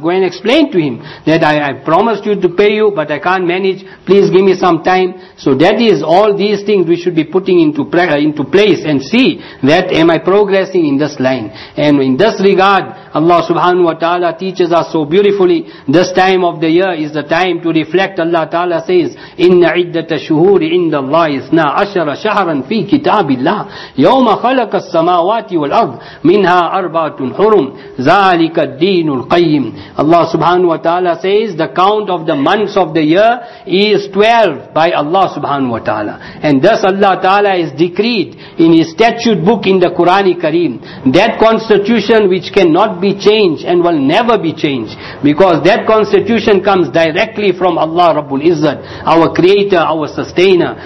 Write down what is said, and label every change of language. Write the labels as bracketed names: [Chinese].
[English] Go and explain to him that I promised you to pay you, but I can't manage. Please give me some time. So that is all these things we should be putting into place and see that am I progressing in this line. And in this regard, Allah subhanahu wa ta'ala teaches us so beautifully, this time of the year is the time to reflect. Allah ta'ala says, [Arabic] إِنَّ عِدَّةَ شُهُورِ عِنْدَ اللَّهِ إِثْنَا عَشَرَ شَهْرًا فِي كِتَابِ اللَّهِ يَوْمَ خَلَقَ السَّمَاوَاتِ وَالْأَرْضِ مِنْهَا أَرْبَعَةٌ حُرُمٌ ذَلِكَ الدِّينُ الْقَيِّمُ. [English] Allah subhanahu wa ta'ala says, the count of the months of the year is 12 by Allah subhanahu wa ta'ala. And thus Allah ta'ala is decreed in His statute book in the Qur'an Kareem, that constitution which cannot be changed and will never be changed, because that constitution comes directly from Allah Rabbul Izzat, our creator, our sustainer.